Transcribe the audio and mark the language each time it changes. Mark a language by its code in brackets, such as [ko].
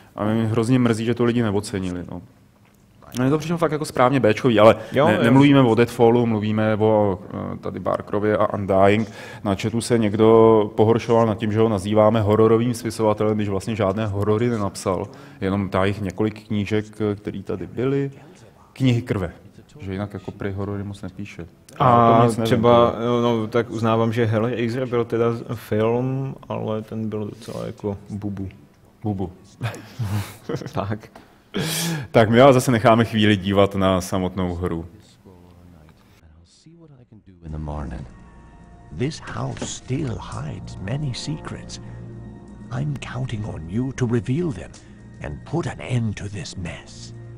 [cs] A mě hrozně mrzí, že to lidi neocenili. No. No je to přičem fakt jako správně béčkový, ale jo, nemluvíme o Deadfallu, mluvíme o tady Barkrově a Undying. Na chatu se někdo pohoršoval nad tím, že ho nazýváme hororovým spisovatelem, když vlastně žádné horory nenapsal. Jenom těch několik knížek, které tady byly. Knihy krve. Že jinak jako prý horory moc nepíše. A třeba, no tak uznávám, že Hellraiser byl teda film, ale ten byl docela jako bubu. Tak. Tak my ale zase necháme chvíli dívat na samotnou hru. [en] This house still hides many secrets. I'm counting on you to reveal them and put an end to this mess.